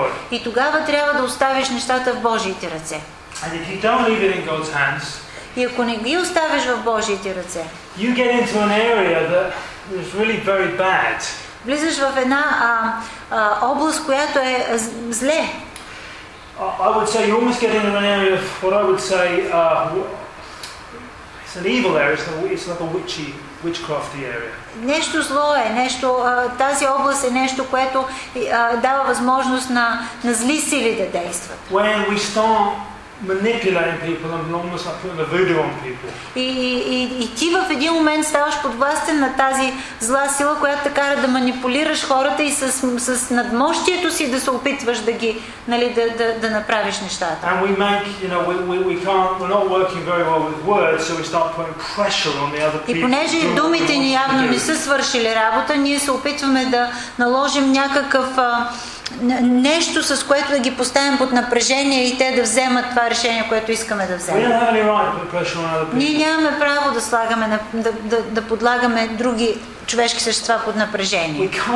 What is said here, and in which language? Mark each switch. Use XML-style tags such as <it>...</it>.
<bg>И тогава трябва да оставиш нещата в Божиите ръце.</bg> <en>And if you don't leave it in God's hands,</en> <bg>и ако не ги оставиш в Божиите ръце,</bg> <en>you get into an area that is really very bad.</en> <bg>Влизаш в една област, която е зле.</bg> <en>I would say you almost get into an area of what I would say it's an evil area. It's like a witchcrafty area.</en> <bg>Нещо зло е, нещо, тази област е нещо, което дава възможност на зли сили да действат.</bg> <en>When we start manipulating people and almost like putting a voodoo on people.</en> <bg>И ти в един момент ставаш подвластен на тази зла сила, която те кара да манипулираш хората и с надмощието си да се опитваш да ги, нали, да направиш нещата.</bg> <en>And we make, you know, we can't, we're not working very well with words, so we start putting pressure on the other people.</en> <bg>И понеже думите ни явно не са свършили работа, ние се опитваме да наложим някакъв нещо, с което да ги поставим под напрежение и те да вземат това решение, което искаме да вземем. Ние нямаме право да слагаме, да подлагаме други човешки същества под напрежение.</bg>